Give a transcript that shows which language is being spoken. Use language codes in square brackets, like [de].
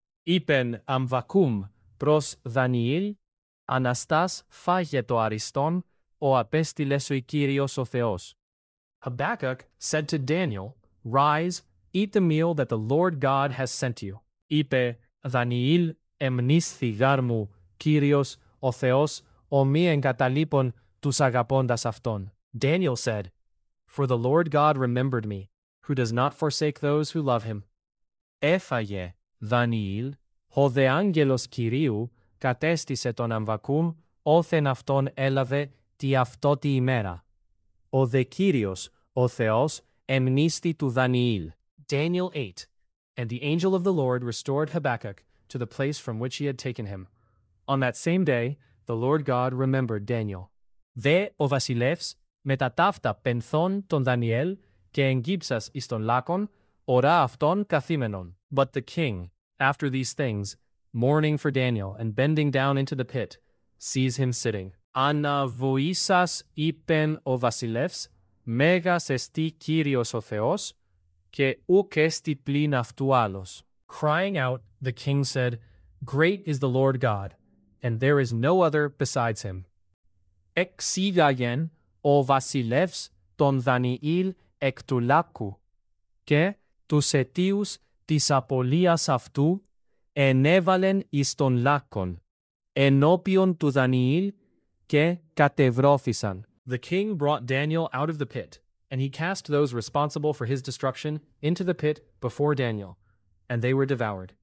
[el] Είπεν αμβακούμ προς Δανιήλ, Αναστάς φάγε το αριστόν, ο απέστειλες ο Κύριος ο Θεός. [en] Habakkuk said to Daniel, Rise, eat the meal that the Lord God has sent you. [el] Είπε, Δανιήλ, εμνήσθη γάρ μου, Κύριος, ο Θεός, ο μη εγκαταλείπων τους αγαπώντας αυτών. [en] Daniel said, For the Lord God remembered me, who does not forsake those who love him. [el] Έφαγε, Δανιήλ, ο δε άγγελος Κυρίου, κατέστησε τον αμβακούμ, όθεν αυτόν έλαβε τη αυτότη ημέρα. Ο δε Κύριος, ο Θεός, εμνήσθη του Δανιήλ. [en] Daniel 8. And the angel of the Lord restored Habakkuk to the place from which he had taken him. On that same day, the Lord God remembered Daniel. [el] Δε ο βασιλεύς, μετά ταύτα πενθών τον Δανιήλ, και εγκύψας εις τον λάκον, ορά αυτόν καθήμενον. [en] But the king, after these things, mourning for Daniel and bending down into the pit, sees him sitting. [el] Αναβοήσας είπεν ο βασιλεύς, μέγας εστί Κύριος ο Θεός, και ουκ εστί πλην αυτού άλλος. [en] Crying out, the king said, Great is the Lord God, and there is no other besides him. [el] Εξήγαγεν ο βασιλεύς τον Δανιήλ εκ του λάκου, και τους αιτίους της απολίας αυτού ενέβαλεν εις τον λάκον, ενώπιον του Δανιήλ, και κατευρώθησαν. [en] The king brought Daniel out of the pit, and he cast those responsible for his destruction into the pit before Daniel, and they were devoured.